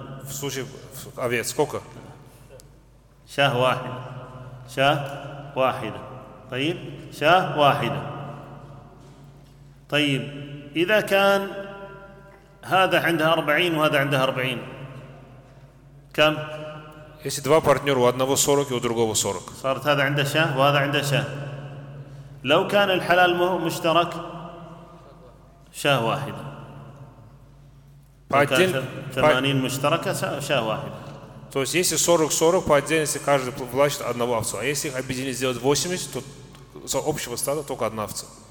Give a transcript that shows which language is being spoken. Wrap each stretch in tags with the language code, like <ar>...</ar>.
<ar>في سوشي أبيات سكوكا. شاه واحد. شاه واحدة. طيب شاه واحدة. طيب إذا كان هذا عندها 40 وهذا عندها 40 كم؟</ar> <ru>Если два партнера, у одного 40 и у другого 40.</ru> <ar>صارت هذا عنده شاه وهذا عنده شاه. لو كان الحلال مشترك شاه واحدة. ثمانين مشتركة شاه واحدة.</ar> <ru>То есть если 40-40 по отдельности каждый влачит одного овцу, а если их объединить сделать 80, то общего стада только одна овца.</ru>